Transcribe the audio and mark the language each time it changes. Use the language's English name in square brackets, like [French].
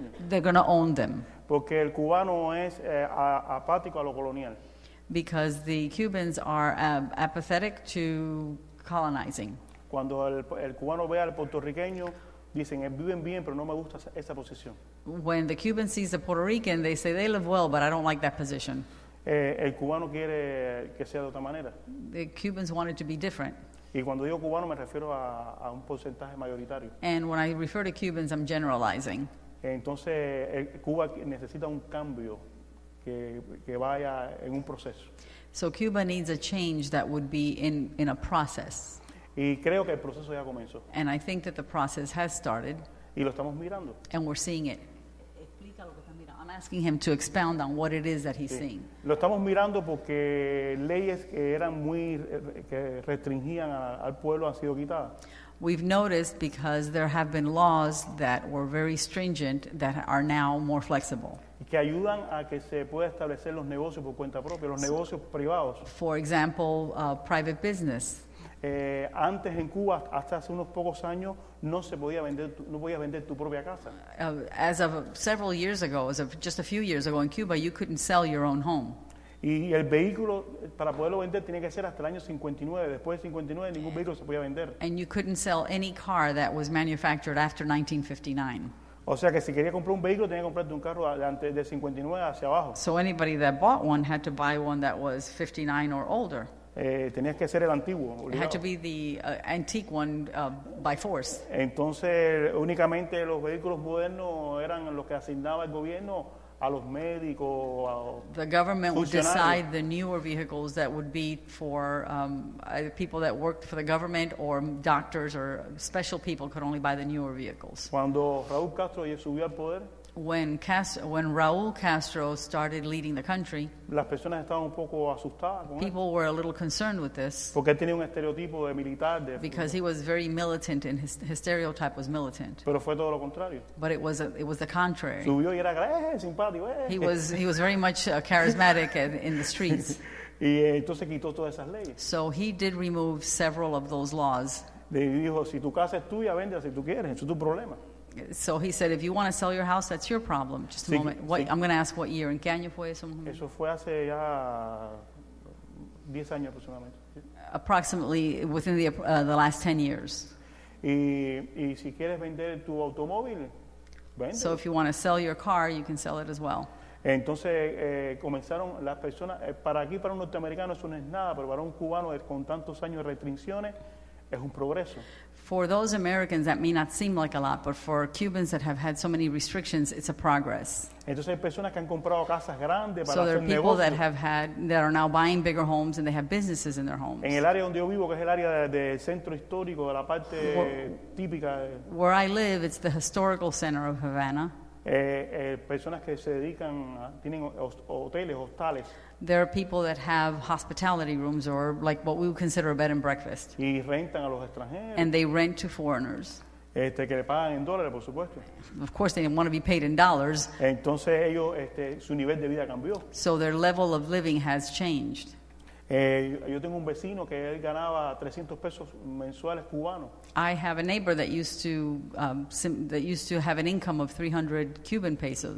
[English] They're going to own them. [Spanish] Porque el cubano es apático a lo colonial. [English] Because the Cubans are apathetic to colonizing. [Spanish] Cuando el cubano ve al puertorriqueño, dicen, viven bien, pero no me gusta esa posición. [English] When the Cuban sees the Puerto Rican, they say, they live well, but I don't like that position. [Spanish] El cubano quiere que sea de otra manera. [English] The Cubans want it to be different. [Spanish] Y cuando digo cubano me refiero a un porcentaje mayoritario. [English] And when I refer to Cubans, I'm generalizing. [Spanish] Entonces, Cuba necesita un cambio que vaya en un proceso. [English] So Cuba needs a change that would be in a process. [Spanish] Y creo que el proceso ya comenzó. [English] And I think that the process has started. [Spanish] Y lo estamos mirando. [English] And we're seeing it. [Spanish] Explica lo que está mirando. [English] I'm asking him to expound on what it is that he's seeing. [Spanish] Lo estamos mirando porque leyes que eran muy que restringían al pueblo han sido quitadas. [English] We've noticed because there have been laws that were very stringent that are now more flexible. [Spanish] Que ayudan a que se pueda establecer los negocios por cuenta propia, los negocios privados. [English] For example, private business. [Spanish] Antes en Cuba, hasta hace unos pocos años, no se podía vender, no podías vender tu propia casa. [English] As of several years ago, just a few years ago in Cuba, you couldn't sell your own home. [Spanish] Y el vehículo para poderlo vender tenía que ser hasta el año 59. Después de 59, ningún vehículo se podía vender. [English] And you couldn't sell any car that was manufactured after 1959. [Spanish] O sea que si quería comprar un vehículo, tenía que comprarte un carro de 59 hacia abajo. [English] So anybody that bought one had to buy one that was 59 or older. [Spanish] Tenías que ser el antiguo. [English] It had to be the antique one by force. [Spanish] Entonces únicamente los vehículos modernos eran los que asignaba el gobierno a los médicos, a [English] the government would decide the newer vehicles that would be for either people that worked for the government or doctors or special people could only buy the newer vehicles. [Spanish] Cuando Raúl Castro ya subió al poder, [English] When Raúl Castro started leading the country, [Spanish] las personas estaban un poco asustadas con [English] people [Spanish] él. [English] Were a little concerned with this. [Spanish] Porque él tenía un estereotipo de militar, de [English] because he was very militant and his stereotype was militant. [Spanish] Pero fue todo lo contrario. [English] But it was the contrary. [Spanish] Subió y era simpático, [English] He was very much charismatic and in the streets. [Spanish] Y entonces quitó todas esas leyes. [English] So he did remove several of those laws. [Spanish] Y dijo, si tu casa es tuya, véndela si tú quieres, eso es tu problema. [English] So he said, if you want to sell your house, that's your problem. Just a moment. What, I'm going to ask what year. [Spanish] ¿En qué año fue eso? Eso fue hace ya 10 años aproximadamente. [English] Approximately within the last 10 years. [Spanish] Y si quieres vender tu automóvil, vende. [English] So if you want to sell your car, you can sell it as well. [Spanish] Entonces comenzaron las personas, para aquí para un norteamericano eso no es nada, pero para un cubano con tantos años de restricciones, es un progreso. [English] For those Americans, that may not seem like a lot, but for Cubans that have had so many restrictions, it's a progress. [Spanish] Entonces, hay personas que han comprado casas grandes para [English] so there [Spanish] hacer [English] are people [Spanish] negocios. [English] That have had, that are now buying bigger homes and they have businesses in their homes. [Spanish] En el área donde yo vivo, que es el área de centro histórico, de la parte típica. [English] Where I live, it's the historical center of Havana. [Spanish] Personas que se dedican, tienen hoteles, hostales. [English] There are people that have hospitality rooms or like what we would consider a bed and breakfast. [Spanish] Y rentan a los extranjeros. [English] And they rent to foreigners. [Spanish] Que le pagan en dólares, por supuesto. [English] Of course, they want to be paid in dollars. [Spanish] Entonces ellos, su nivel de vida cambió. [English] So their level of living has changed. [Spanish] Yo tengo un vecino que él ganaba 300 pesos mensuales cubanos. [English] I have a neighbor that used to have an income of 300 Cuban pesos.